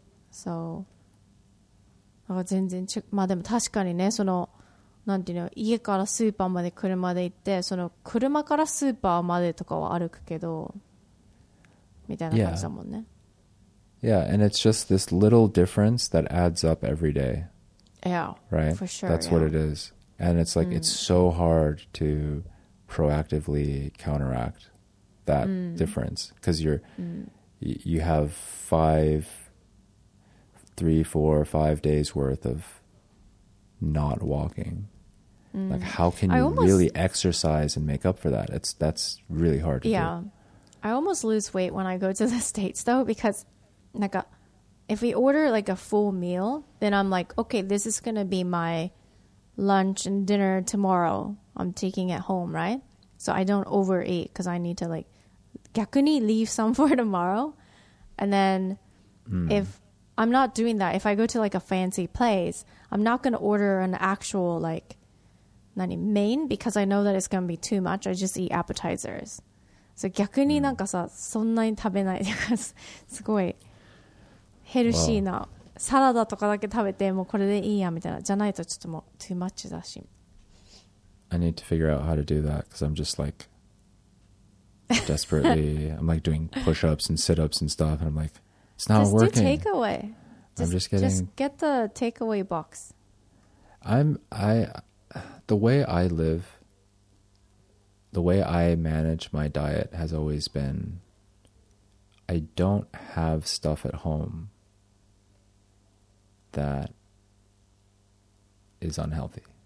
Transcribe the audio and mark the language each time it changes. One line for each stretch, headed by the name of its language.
Japanese: So, なんか全然ちまあでも確かにね、そのなんていうの、家からスーパーまで車で行って、その車からスーパーまでとかは歩くけどみたいな感じだもんね。
English: Yeah, and it's just this little difference that adds up every day. Yeah, right? For sure. That's what it is. And it's like it's so hard to proactively counteract that difference, because you're you have five, three, four, 5 days worth of not walking. Like, how can you really exercise and make up for that? That's really hard to do. I almost lose weight when I go to the States, though, because like, if we order like a full meal, then I'm like, okay, this is going to be my lunch and dinner tomorrow. I'm taking it home, right? So I don't overeat, because I need to like
Japanese: 逆に
English: leave some for tomorrow. And then if I'm not doing that, if I go to like a fancy place, I'm not going to order an actual like main, because I know that it's going to be too much. I just eat appetizers.
Japanese: So 逆になんかさ、そんなに食べない。すごいヘルシーなサラダとかだけ食べてもうこれでいいやみたいな。じゃないとちょっともう
English: too much
Japanese: だし。
English: I need to figure out how to do that, because I'm just like desperately, I'm like doing push-ups and sit-ups and stuff, and I'm like, it's not just working. Just do takeaway. I'm just getting... Just get the takeaway box. The way I live, the way I manage my diet has always been, I don't have stuff at home that is unhealthy.